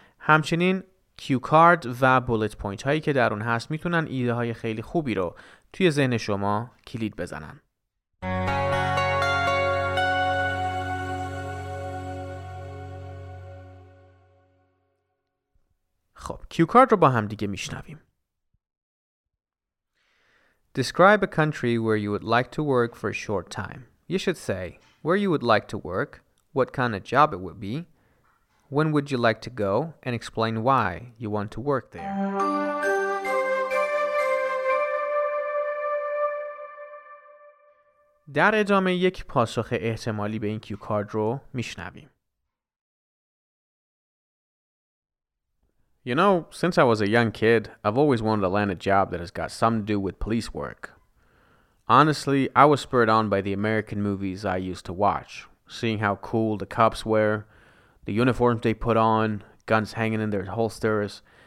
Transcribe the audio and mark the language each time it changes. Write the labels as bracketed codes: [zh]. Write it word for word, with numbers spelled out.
[fa] همچنین کیو کارد و بولت پوینت هایی که در اون هست میتونن ایده های خیلی خوبی رو توی ذهن شما کلید بزنن. خب کیو کارد رو با هم دیگه میشنویم. [en] Describe a country where you would like to work for a short time. You should say where you would like to work, what kind of job it would be, when would you like to go, and explain why you want to work there. [fa] در ادامه یک پاسخ احتمالی به این کیو کارد رو میشنویم. [en] You know, since I was a young kid, I've always wanted to land a job that has got something to do with police work. Honestly, I was spurred on by the American movies I used to watch, seeing how cool the cops were, the uniforms they put on, guns hanging in their holsters.